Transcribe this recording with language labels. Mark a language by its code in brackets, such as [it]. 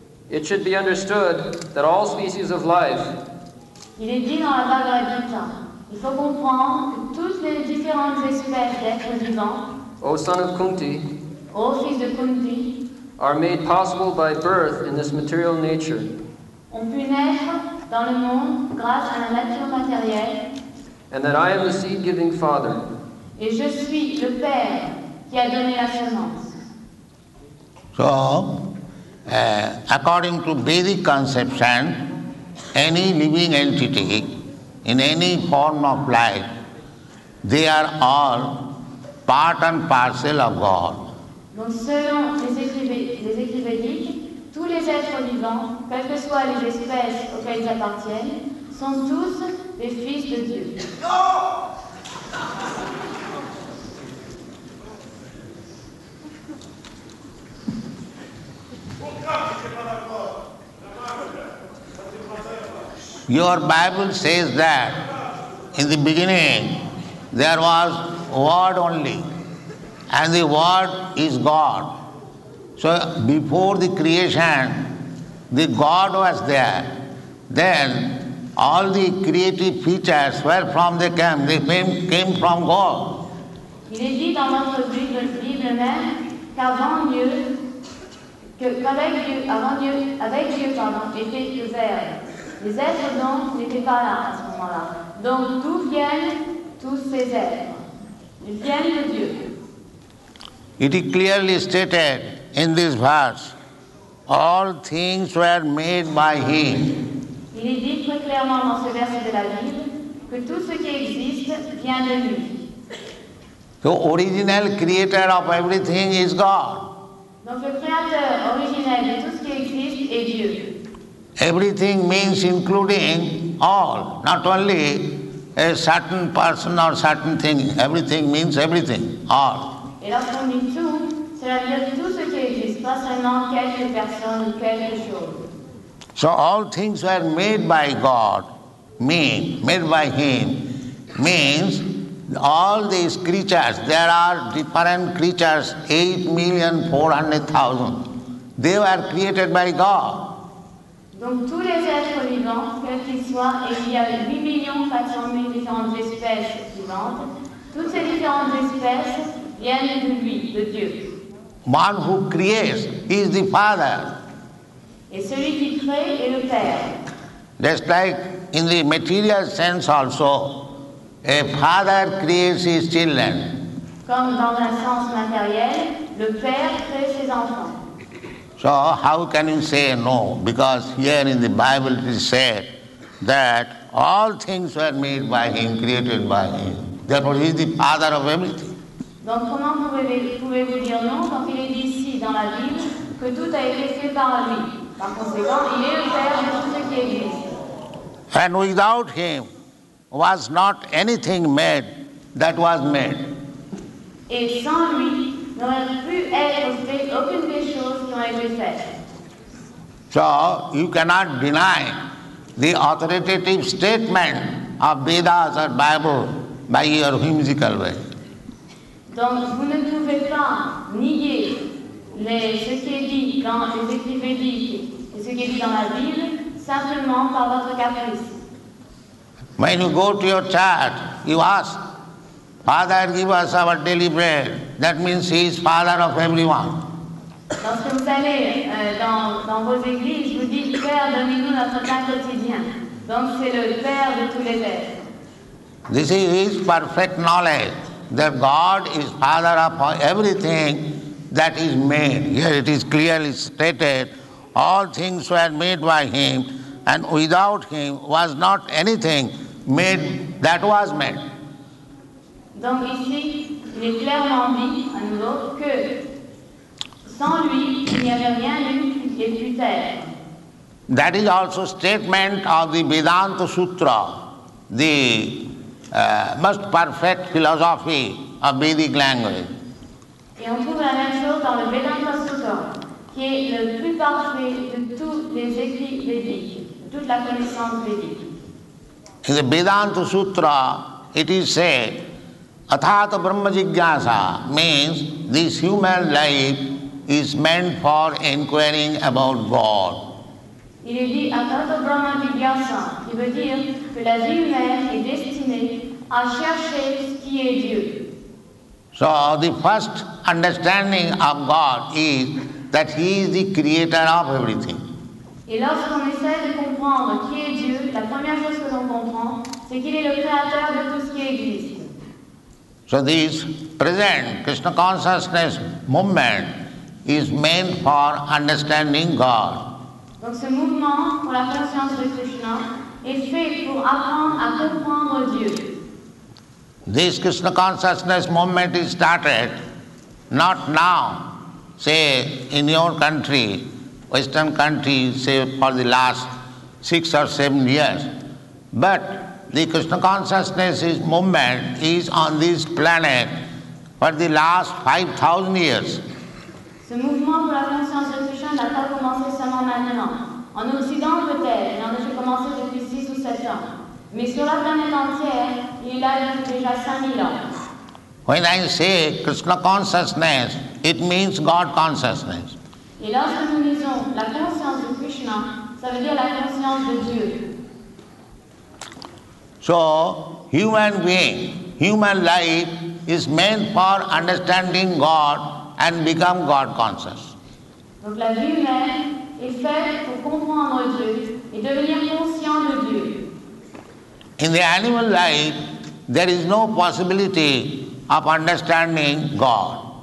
[en] It should be understood that all species of life. [fr] Il est dit dans la Bhagavad Gita. Il faut comprendre que toutes les différentes espèces d'êtres vivants. [en] O son of Kunti. [fr] O fils de Kunti. [en] Are made possible by birth in this material nature. [fr] On peut naître dans le monde grâce à la nature matérielle. [en] And that I am the seed-giving father. [fr] Et je suis le père qui a donné la semence. [en] So. According to Vedic conception, any living entity in any form of life, they are all part and parcel of God. [fr] Donc selon les écrits védiques, tous les êtres vivants, quelles que soient les espèces auxquelles ils appartiennent, sont tous les fils de Dieu. [en] No! Your Bible says that in the beginning there was word only, and the word is God. So before the creation, the God was there. Then all the creative features, where from they came? They came from God. [fr] Il est dit dans notre Bible, même qu'avant Dieu, qu'avec Dieu, était le Verbe. Les êtres, donc, n'étaient pas là à ce moment-là. Donc, d'où viennent tous ces êtres? Ils viennent de Dieu. [en] It is clearly stated in this verse, all things were made by Him. [fr] Il est dit très clairement dans ce verset de la Bible que tout ce qui existe vient de lui. [en] The original creator of everything is God. [fr] Donc le créateur originel de tout ce qui existe est Dieu. [en] Everything means including all, not only a certain person or certain thing. Everything means everything, all. [fr] Et lorsqu'on dit tout, cela veut dire tout ce qui existe, pas seulement quelques personnes ou quelques choses. [en] So all things were made by God, made by Him, means all these creatures, there are different creatures, 8,400,000, they were created by God. [fr] Donc tous les êtres vivants, quels qu'ils soient, et il y a 8,400,000 différentes espèces vivantes, toutes ces différentes espèces, de Dieu. [en] One who creates is the Father. [fr] Et celui qui crée est le Père. [en] Just like in the material sense also, a father creates his children. [fr] Comme dans un sens matériel, le Père crée ses enfants. [en] So how can you say no? Because here in the Bible it is said that all things were made by Him, created by Him. Therefore He is the Father of everything. [fr] Donc comment pouvez-vous dire non quand il est dit ici dans la Bible que tout a été fait par lui? Par conséquent, il est le Père de tout ce qui existe. [en] And without Him was not anything made that was made. [fr] Et sans lui, n'aurait pu être fait aucune des choses qui ont été faites. [en] So you cannot deny the authoritative statement of Vedas or Bible by your whimsical way. [fr] Donc, vous ne pouvez pas nier ce qui est dit dans la Bible simplement par votre caprice. [en] When you go to your church, you ask, Father, give us our daily bread. That means He is Father of everyone. [fr] Lorsque vous allez dans vos églises, vous dites, Père, donnez-nous notre pain quotidien. Donc, c'est le Père de tous les êtres. [en] This is His perfect knowledge. That God is Father of everything that is made. Here it is clearly stated, all things were made by Him, and without Him was not anything made that was made. [fr] Donc ici, il est clairement dit à nouveau que sans lui, il n'y avait rien de plus terre. [en] That is also statement of the Vedanta Sutra, the most perfect philosophy of Vedic language. [fr] Et on trouve la même chose dans le Vedanta Sutra, qui est le plus parfait de tous les écrits védiques, toute la connaissance védique. [en] In the Vedanta Sutra, it is said, [sa] Athata Brahma Jigyasa, [en] means this human life is meant for inquiring about God. [fr] Il est dit [sa] Athata Brahma Jigyasa, [fr] qui veut dire que la vie humaine est destinée à chercher ce qui est Dieu. [en] So the first understanding of God is that He is the creator of everything. [fr] Et lorsqu'on essaie de comprendre qui est Dieu, la première chose que l'on comprend, c'est qu'il est le créateur de tout ce qui existe. [en] So this present Krishna consciousness movement is meant for understanding God. [fr] Donc ce mouvement pour la conscience de Krishna est fait pour apprendre à comprendre Dieu. [en] This Krishna consciousness movement is started not now, say in your country, Western country, say for the last 6 or 7 years, but the Krishna consciousness movement is on this planet for the last 5,000 years. [fr] Ce mouvement pour la conscience de Krishna n'a pas commencé seulement maintenant. En Occident peut-être, il en a commencé depuis 6 ou 7 ans. Mais sur la planète entière, il a déjà 5,000 ans. [en] When I say Krishna consciousness, it means God consciousness. [fr] Et lorsque nous disons la conscience de Krishna, ça veut dire la conscience de Dieu. [en] So, human being, human life is meant for understanding God and become God conscious. [fr] Donc la vie humaine est faite pour comprendre Dieu et devenir conscient de Dieu. [en] In the animal life, there is no possibility of understanding God.